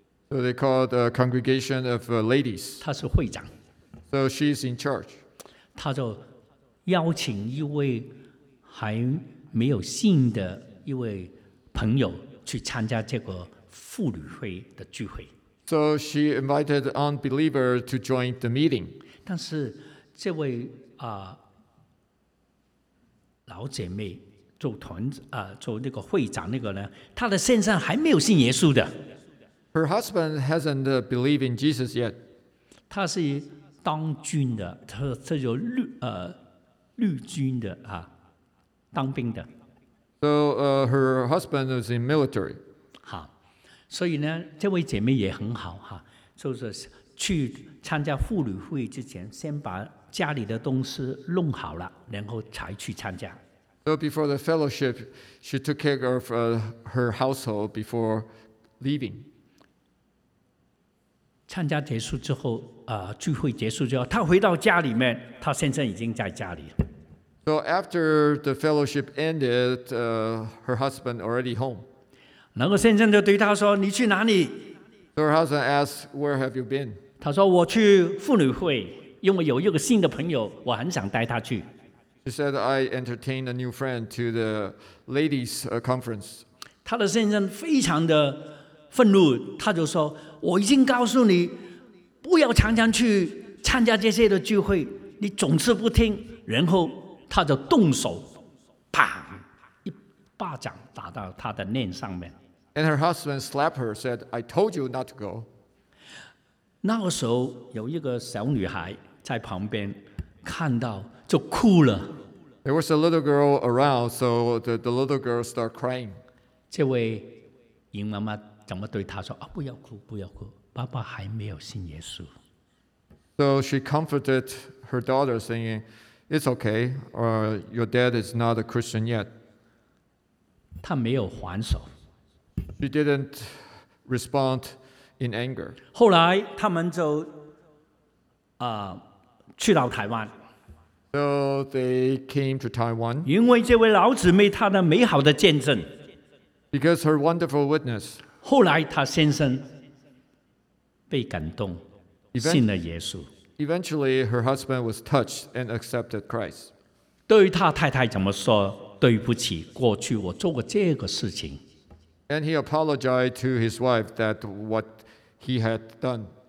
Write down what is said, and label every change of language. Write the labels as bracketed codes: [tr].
[en] So they called a congregation of ladies. [zh] 她是会长。 [en] So she's in charge. [zh] 她就邀请一位还没有信的一位朋友去参加这个妇女会的聚会。 [en] So she invited unbeliever to join the meeting. [zh] 但是这位老姐妹做那个会长那个呢，他的先生还没有信耶稣的。 [en] Her husband hasn't believed in Jesus yet. [zh] 他是当军的，他有绿军的当兵的。 [en] So her husband is in military. [zh] 好，所以呢，这位姐妹也很好哈，就是去参加妇女会之前，先把家里的东西弄好了，然后才去参加。 [en] So before the fellowship, she took care of her household before leaving. [zh] 参加结束之后，聚会结束之后，她回到家里面，她先生已经在家里。 [en] So after the fellowship ended, her husband already home. [zh] 然后先生就对她说：“你去哪里？” [en] So her husband asked, "Where have you been?" [zh] 她说：“我去妇女会，因为有一个新的朋友，我很想带她去。” [en] She said, "I entertained a new friend to the ladies' conference." [zh] 他的先生非常的愤怒，他就说，我已经告诉你不要常常去参加这些的聚会，你总是不听。然后他就动手，啪，一巴掌打到他的脸上面。 [en] And her husband slapped her, said, I told you not to go. [zh] 那个时候有一个小女孩在旁边看到就哭了。 [en] There was a little girl around, so the little girl started crying. [zh] 这位尹妈妈怎么对她说，啊，不要哭，不要哭，爸爸还没有信耶稣。 [en] So she comforted her daughter saying, it's okay, or your dad is not a Christian yet. [zh] 她没有还手。 [en] She didn't respond in anger. [zh] 后来他们就去到台湾。 [en] So they came to Taiwan. [zh] 因为这位老姊妹她的美好的见证。 [en] Because her wonderful witness. [zh] 后来她先生被感动，信了耶稣。 [en] Eventually, her husband was touched and accepted Christ. [zh] 对于她太太怎么说？对不起，过去我做过这个事情。 [en] And he apologized to his wife that what he had done.